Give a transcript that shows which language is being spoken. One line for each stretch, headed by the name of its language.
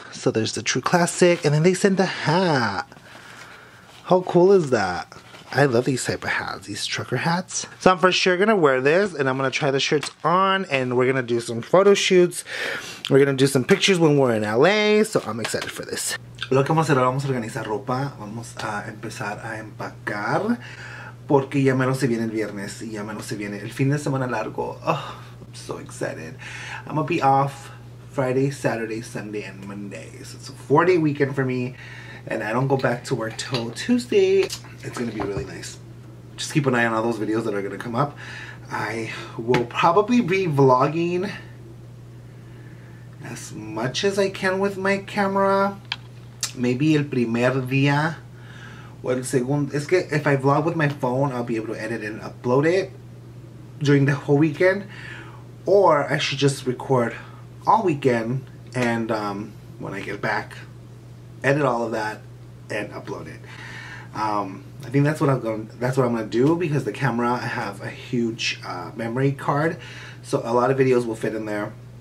English: So there's the True Classic. And then they send the hat. How cool is that? I love these type of hats, these trucker hats. So I'm for sure gonna wear this, and I'm gonna try the shirts on, and we're gonna do some photo shoots. We're gonna do some pictures when we're in LA, so I'm excited for this.
Spanish: Lo que vamos a hacer ahora, vamos a organizar ropa, vamos a empezar a empacar, porque ya menos se viene el viernes, y ya menos se viene el fin de semana largo.
English: Oh, I'm so excited. I'm gonna be off Friday, Saturday, Sunday, and Monday. So it's a 4-day weekend for me, and I don't go back to work till Tuesday. It's gonna be really nice. Just keep an eye on all those videos that are gonna come up. I will probably be vlogging as much as I can with my camera. Maybe
Spanish: el primer día o el segundo. Es que
English: if I vlog with my phone, I'll be able to edit and upload it during the whole weekend. Or I should just record all weekend, and when I get back, edit all of that and upload it. I think that's what I'm gonna do, because the camera, I have a huge memory card, so a lot of videos will fit in there.